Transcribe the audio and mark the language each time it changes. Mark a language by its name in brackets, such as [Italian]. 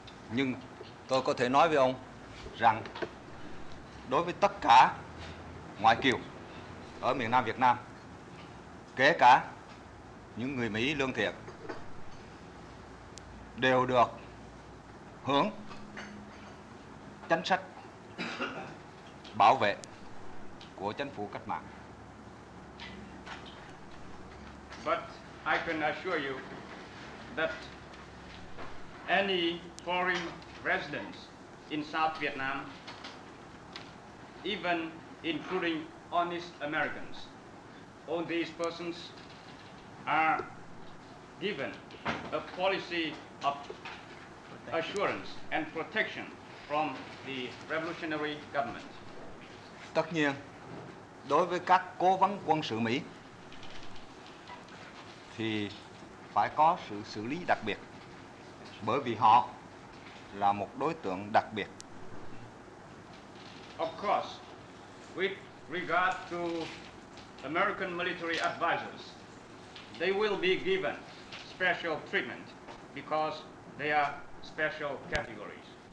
[Vietnamese] Nhưng tôi có thể nói với ông rằng đối với tất cả ngoại kiều ở miền Nam Việt Nam, kể cả những người Mỹ lương thiện, đều được hưởng chính sách bảo vệ của chính phủ cách mạng. [English] But I can assure you that any foreign residents in South Vietnam, even including honest Americans, all these persons are given a policy of assurance and protection from the revolutionary government. [Vietnamese] Tất nhiên, đối với các cố vấn quân sự Mỹ thì phải có sự xử lý đặc biệt, bởi vì họ là một đối tượng đặc biệt. [English] Of course, with regard to American military advisors, they will be given special treatment because they are special categories.